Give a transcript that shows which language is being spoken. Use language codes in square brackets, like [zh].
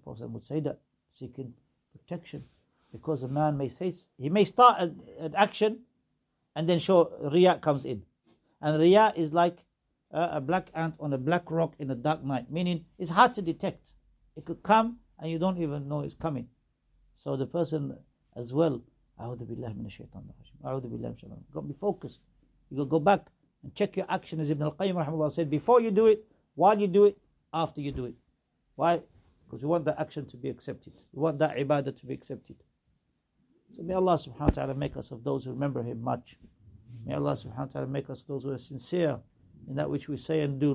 [en] The Prophet would say that, seeking protection, because a man may say, he may start an action, and then show riya comes in, and riya is like a black ant on a black rock in a dark night, meaning it's hard to detect. It could come and you don't even know it's coming. So the person as well, [ar] أعوذ بالله من الشيطان الرجيم. أعوذ بالله من الشيطان. [en] Got to be focused. You got to go back and check your action, as Ibn al-Qayyim rahimahullah said, before you do it, while you do it, after you do it. Why? Because we want the action to be accepted. We want that ibadah to be accepted. So may Allah subhanahu wa ta'ala make us of those who remember him much. May Allah subhanahu wa ta'ala make us those who are sincere in that which we say and do.